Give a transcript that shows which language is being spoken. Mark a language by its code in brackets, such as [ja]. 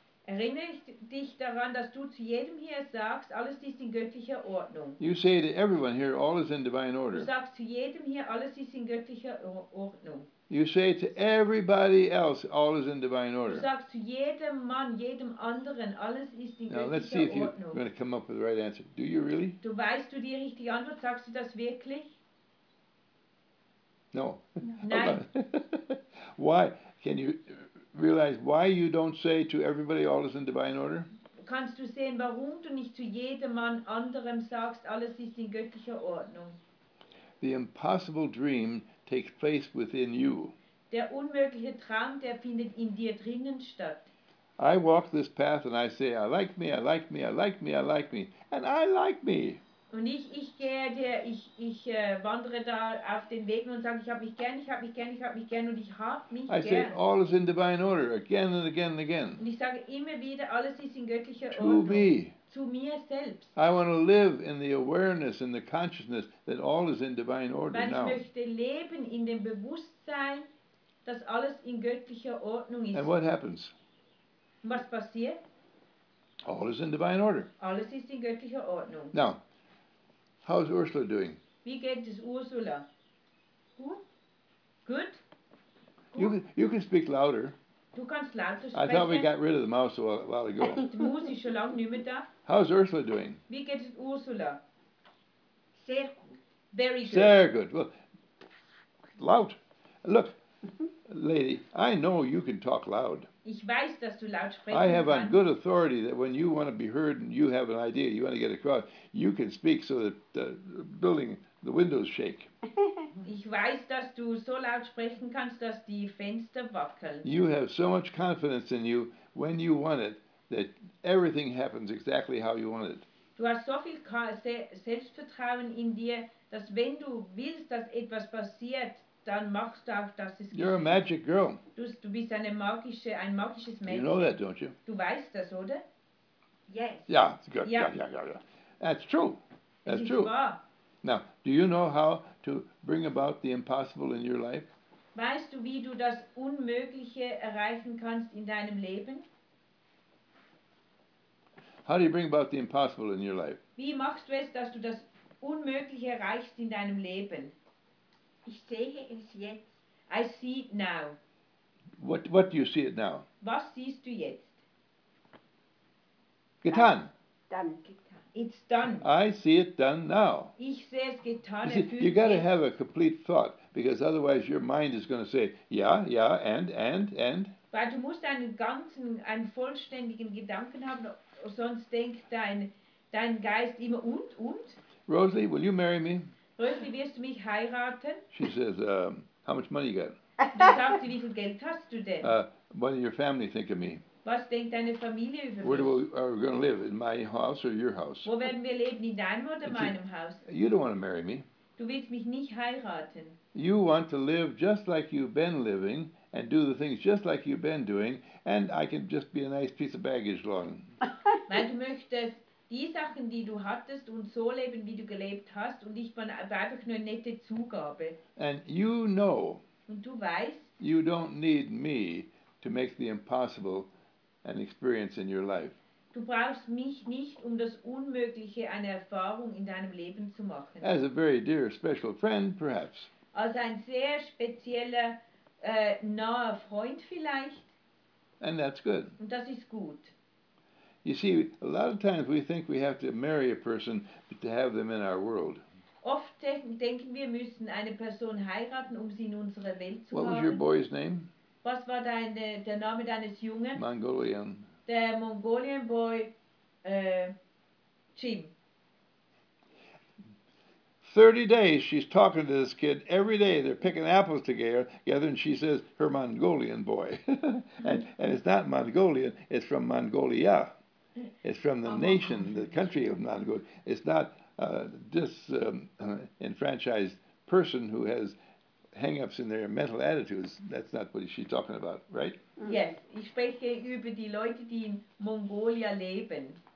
[de] Erinnere dich daran, dass du zu jedem hier sagst, alles ist in göttlicher Ordnung. [en] You say to everyone here, all is in divine order. [de] Du sagst zu jedem hier, alles ist in göttlicher Ordnung. [en] You say to everybody else, all is in divine order. [de] Du sagst zu jedem Mann, jedem anderen, alles ist in göttlicher Ordnung. [en] Now let's see if you're going to come up with the right answer. Do you really? [de] Du weißt du die richtige Antwort? Sagst du das wirklich? [en] No. [de] Nein. [en] Why? Can you realize why you don't say to everybody, all is in divine order? [de] Kannst du sehen, warum du nicht zu jedem Mann anderem sagst, alles ist in göttlicher Ordnung? [en] The impossible dream takes place within you. [de] Der unmögliche Traum, der findet in dir drinnen statt. [en] I walk this path and I say, I like me, I like me, I like me, I like me, and I like me. [de] Und ich gehe dir, ich wandere da auf den Wegen und sage, ich habe mich gern, ich habe mich gern, ich habe mich gern und ich habe mich gern. [en] I say, all is in divine order, again and again and again. [de] Und ich sage immer wieder, alles ist in göttlicher [en] to [de] Ordnung. [en] Me. [de] Zu mir selbst. [en] I want to live in the awareness and the consciousness that all is in divine order [de] Weil ich [en] now. [de] Möchte leben in dem Bewusstsein, dass alles in göttlicher Ordnung ist. [en] And what happens? [de] Was passiert? [en] All is in divine order. [de] Alles ist in göttlicher Ordnung. [en] Now, how's Ursula doing? [de] Wie geht es Ursula? [en] Good? You can speak louder. [de] Du kannst lauter sprechen. [en] I thought we got rid of the mouse a while ago. [de] Die Maus ist schon lange nicht mehr da. [en] How's Ursula doing? [de] Wie geht es Ursula? Sehr gut. [en] Very good. [de] Sehr [en] good. Well, loud. Look, lady, I know you can talk loud. [de] Ich weiß, dass du laut sprechen [en] I have [de] kannst. [en] On good authority that when you want to be heard and you have an idea, you want to get across, you can speak so that the building, the windows shake. [de] Ich weiß, dass du so laut sprechen kannst, dass die Fenster wackeln. [en] You have so much confidence in you when you want it that everything happens exactly how you want it. [de] Du hast so viel Selbstvertrauen in dir, dass wenn du willst, dass etwas passiert, dann machst du auch, dass es [en] You're [de] geht. [en] A magic girl. [de] Du bist eine magische, ein magisches Mädchen. [en] You know that, don't you? [de] Du weißt das, oder? [en] Yes. Yeah, good. Yeah. That's true. That's [de] es [en] true. [de] Wahr. [en] Now, do you know how to bring about the impossible in your life? [de] Weißt du, wie du das Unmögliche erreichen kannst in deinem Leben? [en] How do you bring about the impossible in your life? [de] Wie machst du es, dass du das Unmögliche erreichst in deinem Leben? Ich sehe es jetzt. [en] I see it now. What do you see it now? [de] Was siehst du jetzt? Getan. [en] Done. It's done. I see it done now. [de] Ich sehe es getan. [en] You got to have a complete thought, because otherwise your mind is going to say, yeah, yeah, and. [de] Weil du musst einen ganzen, einen vollständigen Gedanken haben, sonst denkt dein Geist immer und. [en] Rosalie, will you marry me? [de] Rosalie, wirst du mich heiraten? [en] She says, how much money you got? [de] Sie sagt, wie viel Geld hast du denn? [en] What do your family think of me? [de] Was denkt deine Familie über mich? [en] Where are we going to live, in my house or your house? [de] Wo werden wir leben, in deinem oder [en] And [de] meinem Haus? [en] You don't want to marry me. [de] Du willst mich nicht heiraten. [en] You want to live just like you've been living and do the things just like you've been doing and I can just be a nice piece of baggage along. [de] Weil du möchtest die Sachen, die du hattest und so leben, wie du gelebt hast, und ich bin einfach nur eine nette Zugabe. [en] And you know, [de] und du weißt, [en] you don't need me to make the impossible an experience in your life. [de] Du brauchst mich nicht, um das Unmögliche eine Erfahrung in deinem Leben zu machen. [en] As a very dear special friend, perhaps. [de] Als ein sehr spezieller, naher Freund vielleicht. [en] And that's good. [de] Und das ist gut. [en] You see, a lot of times we think we have to marry a person to have them in our world. [de] Oft denken wir müssen eine Person heiraten, um sie in unsere Welt zu haben. [en] What was your boy's name? [de] Was war der Name deines Jungen? [en] Mongolian. [de] Der Mongolian Boy, Jim. [en] 30 days she's talking to this kid every day. They're picking apples together, and she says, her Mongolian boy. and it's not Mongolian, it's from Mongolia. It's from the nation, the country of Mongolia. It's not this enfranchised person who has hang-ups in their mental attitudes. That's not what she's talking about, right? Yes. [de] Ich spreche über die Leute, die in Mongolia leben.